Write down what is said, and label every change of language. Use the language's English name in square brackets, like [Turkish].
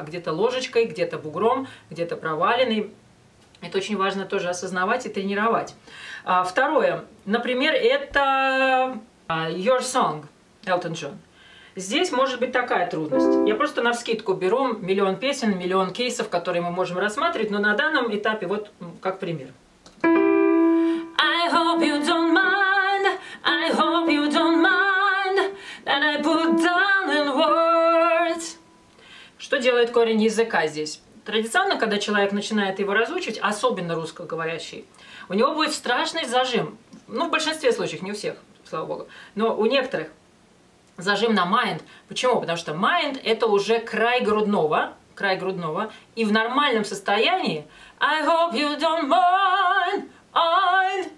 [Russian] Где-то ложечкой, где-то бугром, где-то проваленной. Это очень важно тоже осознавать и тренировать. Второе. Например, это Your Song, Элтон Джон. Здесь может быть такая трудность. Я просто навскидку беру миллион песен, миллион кейсов, которые мы можем рассматривать, но на данном этапе вот как пример. [English] I hope you don't mind, I hope you don't mind, that I put down in words. [Russian] Что делает корень языка здесь? Традиционно, когда человек начинает его разучивать, особенно русскоговорящий, у него будет страшный зажим. Ну, в большинстве случаев, не у всех, слава богу. Но у некоторых зажим на mind. Почему? Потому что mind – это уже край грудного, и в нормальном состоянии [English] I hope you don't mind, [Russian] on.